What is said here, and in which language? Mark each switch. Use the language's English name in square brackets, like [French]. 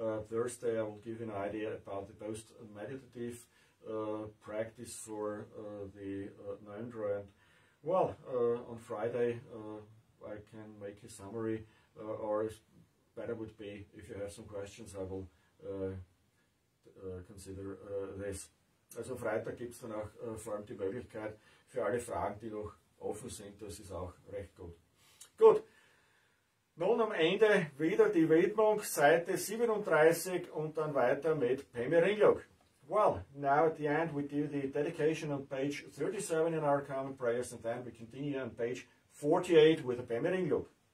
[English] Thursday I will give you an idea about the post-meditative practice for the Ngondro, and well, on Friday I can make a summary, or better would be if you have some questions, I will consider this. [German] Also Freitag gibt es dann auch vor allem die Möglichkeit für alle Fragen, die noch offen sind, das ist auch recht gut. Gut, nun am Ende wieder die Widmung, Seite 37 und dann weiter mit Pemi Rinyok. [English] Well, now at the end we do the dedication on page 37 in our common prayers, and then we continue on page 48 with a Pemi Rinyok.